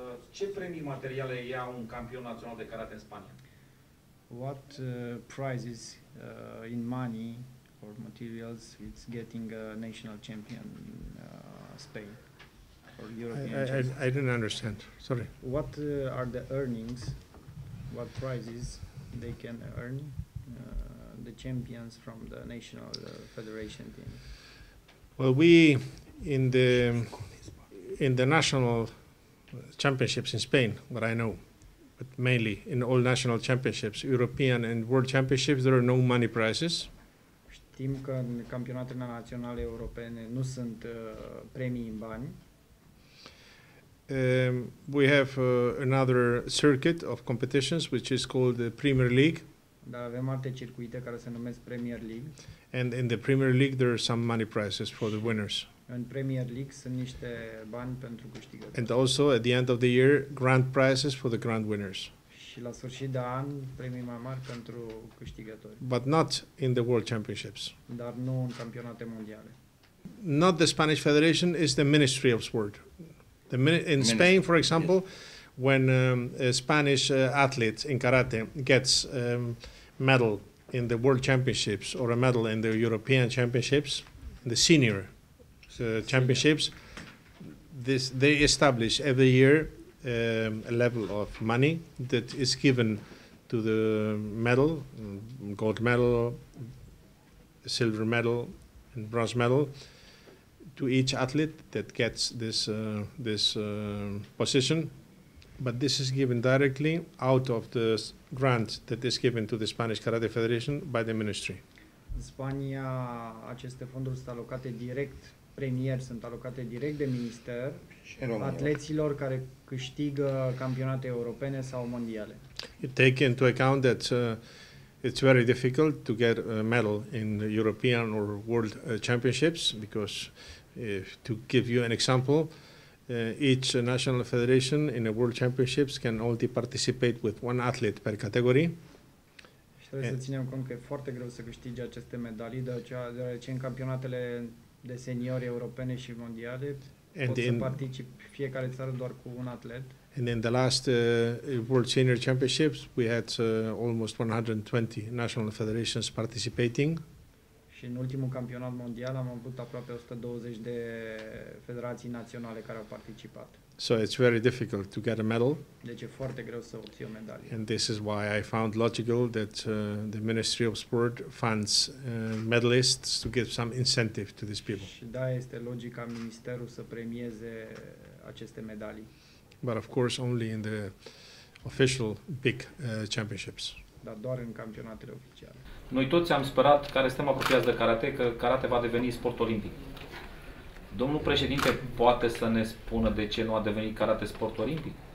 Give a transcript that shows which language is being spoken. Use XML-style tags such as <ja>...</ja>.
<ro>Ce premii materiale ia un campion național de karate în Spania?</ro> <en>What prizes in money or materials it's getting a national champion in Spain or European I didn't understand. Sorry. What are the earnings? What prizes they can earn the champions from the national federation team? Well, we in the national championships in Spain, what I know, but mainly in all national championships, European and world championships, there are no money prizes.</en> <ro>Știm că în campionatele naționale europene nu sunt premii în bani.</ro> <en>We have another circuit of competitions, which is called the Premier League.</en> <ro>Dar avem alte circuite care se numesc Premier League.</ro> <en>And in the Premier League, there are some money prizes for the winners.</en> <ro>În Premier League sunt niște bani pentru câștigători.</ro> <en>And also at the end of the year grand prizes for the grand winners.</en> <ro>Și la sfârșit de an premii mai mari pentru câștigători.</ro> <en>But not in the world championships.</en> <ro>Dar nu în campionate mondiale.</ro> <en>Not the Spanish Federation is the Ministry of Sport. The in Spain for example when a Spanish athlete in karate gets a medal in the world championships or a medal in the European championships, the senior championships, this they establish every year a level of money that is given to the medal, gold medal, silver medal, and bronze medal to each athlete that gets this this position. But this is given directly out of the grant that is given to the Spanish Karate Federation by the ministry.</en> <ro>În Spania, aceste fonduri sunt alocate direct. Premier sunt alocate direct de minister atleților care câștigă campionate europene sau mondiale.</ro> <en>You take into account that it's very difficult to get a medal in European or world championships because if, to give you an example, each national federation in a world championships can only participate with one athlete per category.</en> <ro>Și trebuie să ținem cont că e foarte greu să câștigi aceste medalii, deoarece în campionatele de seniori europene și mondiale pot să particip fiecare țară doar cu un atlet.</ro> <en>And in the last World Senior Championships we had almost 120 national federations participating.</en> <ro>Și în ultimul campionat mondial am avut aproape 120 de federații naționale care au participat.</ro> <en>So it's very difficult to get a medal.</en> <ro>Deci e foarte greu să obții o medalie.</ro> <en>And this is why I found logical that the Ministry of Sport funds medalists to give some incentive to these people.</en> <ro>Și da, este logica ministerul să premieze aceste medalii.</ro> <en>But of course only in the official big championships.</en> <ro>Dar doar în campionatele oficiale. Noi toți am sperat, care suntem apropiați de karate, că karate va deveni sport olimpic. Domnul președinte poate să ne spună de ce nu a devenit karate sport olimpic?</ro>